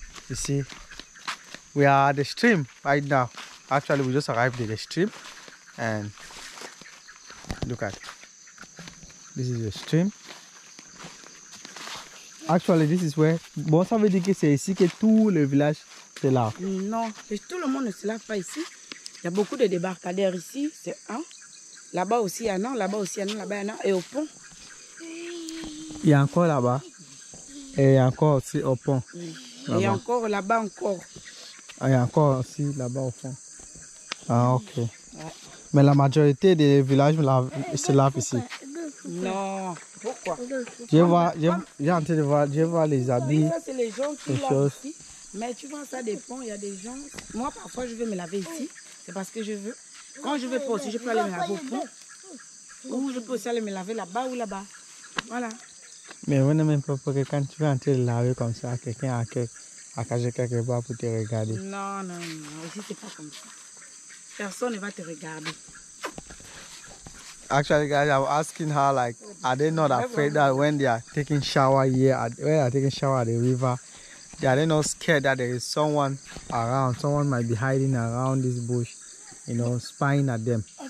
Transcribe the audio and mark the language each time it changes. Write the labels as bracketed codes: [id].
[en] You see, we are at the stream right now. Actually, we just arrived at the stream. And look at it. This is the stream. Actually, this is where. [fr] Bon, ça veut dire que c'est ici que tout le village est là. Non, et tout le monde ne se lave pas ici. Il y a beaucoup de débarcadères ici, c'est un. Là-bas aussi, il y en a. Là-bas aussi, il y en a. Là-bas, il y en a. Et au pont. Il y a encore là-bas. Et encore aussi au pont. Oui. Et encore là-bas encore. Et encore aussi là-bas au fond. Ah, ok. Ouais. Mais la majorité des villages se lavent ici. Non, pourquoi? Je vois les habits. Ça, c'est les gens qui lavent ici. Mais tu vois, ça dépend. Il y a des gens. Moi, parfois, je veux me laver ici. C'est parce que je veux. Quand je veux pas aussi, je peux aller me laver au fond. Ou je peux aussi aller me laver là-bas ou là-bas. Voilà. Mais on n'aime pas que quand tu veux entrer laver comme ça, quelqu'un a caché quelque part pour te regarder. Non, non, non, aussi c'est pas comme ça. Personne ne va te regarder. [en] Actually, guys, I'm asking her, like, are they not afraid that when they are taking shower here, when they are taking shower at the river, they are not scared that there is someone around, someone might be hiding around this bush, you know, spying at them.